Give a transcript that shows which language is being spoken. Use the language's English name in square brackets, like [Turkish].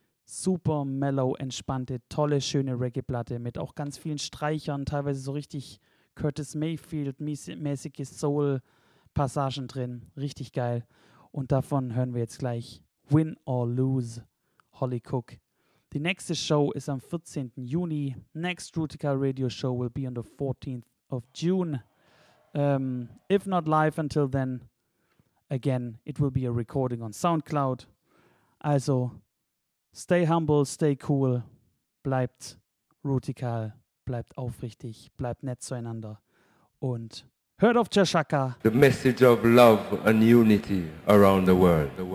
[German] Super mellow, entspannte, tolle, schöne Reggae-Platte mit auch ganz vielen Streichern, teilweise so richtig Curtis Mayfield-mäßige Soul-Passagen drin. Richtig geil. Und davon hören wir jetzt gleich Win or Lose, Holly Cook. [English] The next show is on 14th Juni. Next Rootikal Radio Show will be on the 14th of June. If not live until then, again, it will be a recording on SoundCloud. [German] Also, [English] stay humble, stay cool, [German] bleibt rootikal, bleibt aufrichtig, bleibt nett zueinander und hört auf Chashaka. [English] The message of love and unity around the world.